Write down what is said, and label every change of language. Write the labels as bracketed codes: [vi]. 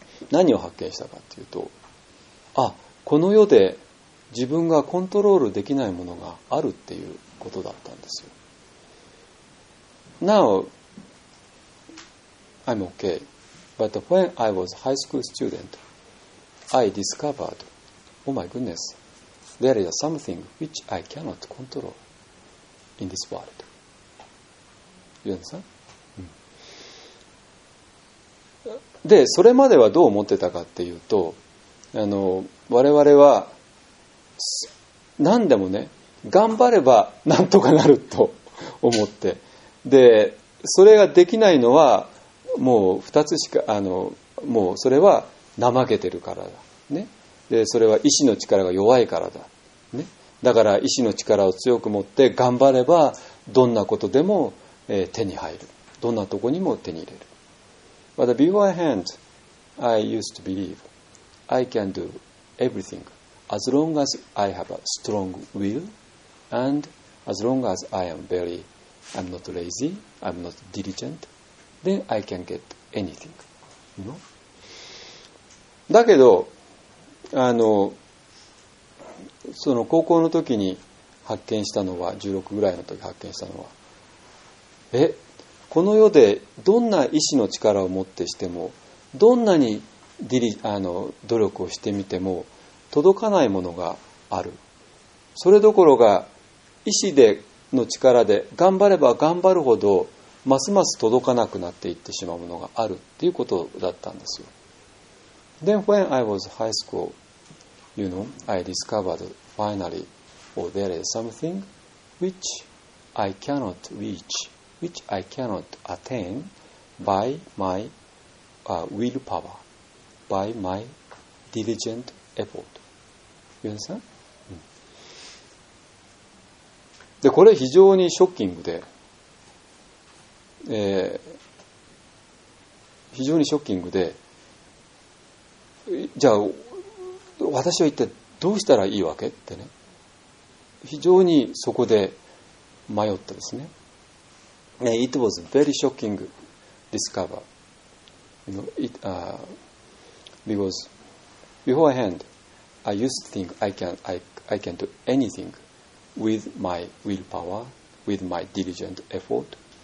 [ja] 何を発見したかっていうと、あ、この世で自分がコントロールできないものがあるっていうことだったんですよ。 [en] Now, I'm okay. But when I was a high school student, I discovered, oh my goodness, there is something which I cannot control in this world. You understand? [ja] で、それまではどう思ってたかっていうと、我々は何でもね、頑張ればなんとかなると思って、でそれができないのはもう2つしかもうそれは怠けてるからだ、ね、でそれは意志の力が弱いからだ、ね、だから意志の力を強く持って頑張ればどんなことでも、手に入る、どんなとこにも手に入れる。 [en] But beforehand I used to believe I can do everything as long as I have a strong will and as long as I am very I'm not lazy, I'm not diligent, then I can get anything. You know? [ja] だけど、その高校の時に発見したのは、16ぐらいの時発見したのは、この世でどんな意志の力を持ってしても、どんなに努力をしてみても届かないものがある。それどころか意志での力で頑張れば頑張るほどますます届かなくなっていってしまうものがあるっていうことだったんですよ。 [en] Then when I was high school, you know, I discovered finally, oh, there is something which I cannot reach, which I cannot attain by my willpower, by my diligent effort. You understand? [ja] でこれ非常にショッキングで、非常にショッキングで、じゃあ私は一体どうしたらいいわけってね、非常にそこで迷ったですね。 [en] It was very shocking discover, you know, it, because beforehand I used to think I can do anythingwith my willpower, with my diligent effort.